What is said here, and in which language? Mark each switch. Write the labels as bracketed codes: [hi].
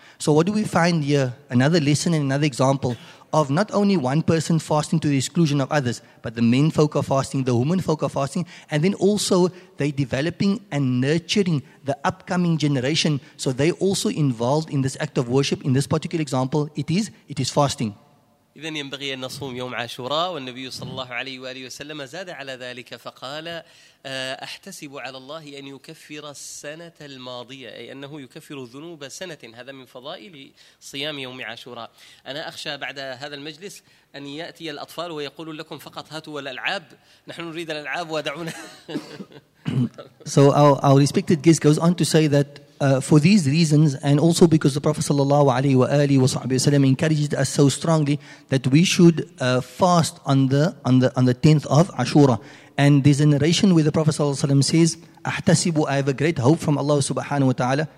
[en] So what do we find here? Another lesson and another example of not only one person fasting to the exclusion of others, but the men folk are fasting, the women folk are fasting, and then also they developing and nurturing the upcoming generation. So they also involved in this act of worship. In this particular example, it is fasting. [ar] إذن ينبغي أن نصوم يوم عاشوراء والنبي صلى الله عليه وآله وسلم زاد على ذلك فقال أحتسب على الله أن يكفر السنة الماضية أي أنه يكفر الذنوب سنة هذا من فضائل صيام يوم عاشوراء أنا أخشى بعد هذا المجلس أن يأتي الأطفال ويقولوا لكم فقط هاتوا الألعاب نحن نريد الألعاب ودعونا [en] So our respected guest goes on to say that for these reasons, and also because the Prophet sallallahu alaihi wasallam encouraged us so strongly that we should fast on the 10th of Ashura, and there's a narration where the Prophet sallallahu alaihi wasallam says, "Ahtasibu, I have a great hope from Allah subhanahu wa taala."